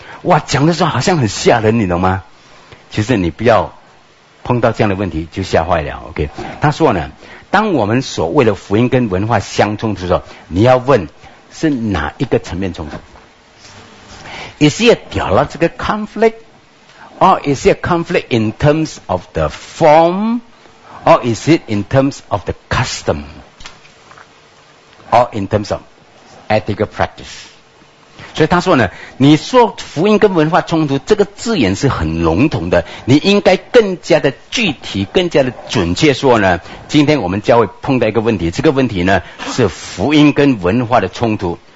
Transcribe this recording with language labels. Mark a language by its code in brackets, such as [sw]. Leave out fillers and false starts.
[zh] 哇，讲的时候好像很吓人，你懂吗？其实你不要碰到这样的问题就吓坏了 ,OK? 他说呢，当我们所谓的福音跟文化相冲突的时候，你要问是哪一个层面冲突？ [en] Is it a theological conflict? Or is it a conflict in terms of the form? Or is it in terms of the custom? Or in terms of ethical practice? [zh] 所以他说呢，你说福音跟文化冲突这个字眼是很笼统的，你应该更加的具体，更加的准确说呢，今天我们教会碰到一个问题，这个问题呢是福音跟文化的冲突。